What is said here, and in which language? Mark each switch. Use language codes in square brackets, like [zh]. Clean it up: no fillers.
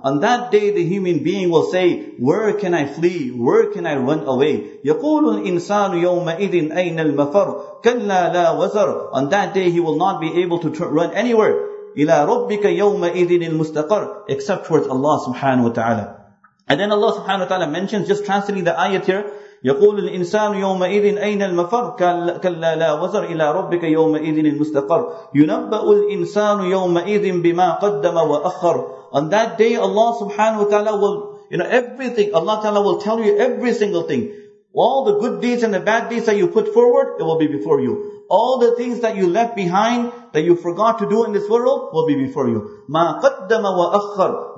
[en] On that day the human being will say, where can I flee? Where can I run away? [ar] يَقُولُ الْإِنسَانُ يَوْمَئِذٍ أَيْنَ الْمَفَرُ كَلَّا لَا وَزَرُ. [en] On that day he will not be able to run anywhere. [ar] إِلَى رَبِّكَ يَوْمَئِذٍ الْمُسْتَقَرُ, [en] except towards Allah subhanahu wa ta'ala. And then Allah subhanahu wa ta'ala mentions, just translating the ayat here, [ar] يَقُولُ الْإِنسَانُ يَوْمَئِذٍ أَيْنَ الْمَفَرُ كَلَّا لَا وَزَرْ إِلَىٰ رَبِّكَ يَوْمَئِذٍ الْمُسْتَقَرُ يُنَبَّأُ الْإِنسَانُ يَوْمَئِذٍ بِمَا قَدَّمَ وَأَخَّرُ. [en] On that day Allah subhanahu wa ta'ala will, you know, everything, Allah ta'ala will tell you every single thing. All the good deeds and the bad deeds that you put forward, it will be before you. All the things that you left behind, that you forgot to do in this world, will be before you. [ar] مَا قَدَّمَ وَأَخَّرُ.